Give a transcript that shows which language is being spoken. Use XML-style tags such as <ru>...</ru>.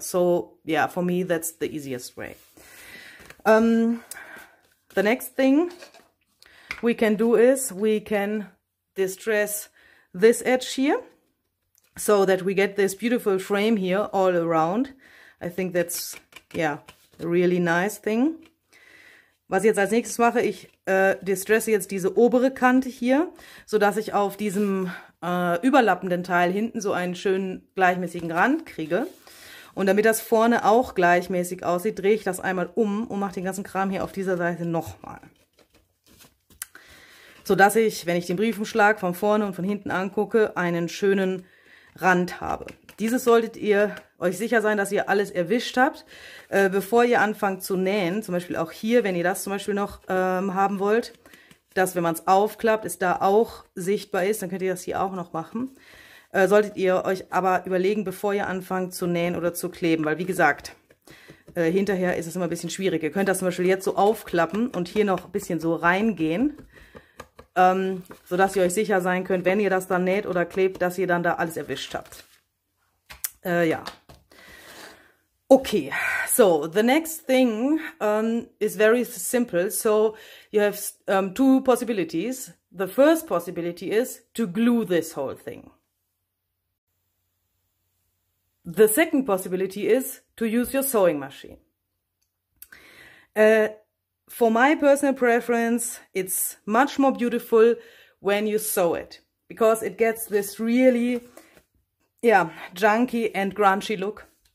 <en>So yeah, for me, that's the easiest way. The next thing we can do is we can distress this edge here so that we get this beautiful frame here all around. I think that's, yeah, a really nice thing.</en> <de>Was ich jetzt als nächstes mache, ich distresse jetzt diese obere Kante hier, so dass ich auf diesem überlappenden Teil hinten so einen schönen gleichmäßigen Rand kriege. Und damit das vorne auch gleichmäßig aussieht, drehe ich das einmal um und mache den ganzen Kram hier auf dieser Seite nochmal. So dass ich, wenn ich den Briefumschlag von vorne und von hinten angucke, einen schönen Rand habe. Dieses solltet ihr euch sicher sein, dass ihr alles erwischt habt, bevor ihr anfangt zu nähen. Zum Beispiel auch hier, wenn ihr das zum Beispiel noch haben wollt, dass wenn man es aufklappt, es da auch sichtbar ist, dann könnt ihr das hier auch noch machen. Solltet ihr euch aber überlegen, bevor ihr anfangt zu nähen oder zu kleben, weil wie gesagt, hinterher ist es immer ein bisschen schwierig. Ihr könnt das zum Beispiel jetzt so aufklappen und hier noch ein bisschen so reingehen, sodass ihr euch sicher sein könnt, wenn ihr das dann näht oder klebt, dass ihr dann da alles erwischt habt. Ja.</de> <en>Okay, so the next thing is very simple. So you have two possibilities. The first possibility is to glue this whole thing. The second possibility is to use your sewing machine. For my personal preference, it's much more beautiful when you sew it, because it gets this really, junky and grungy look.</en>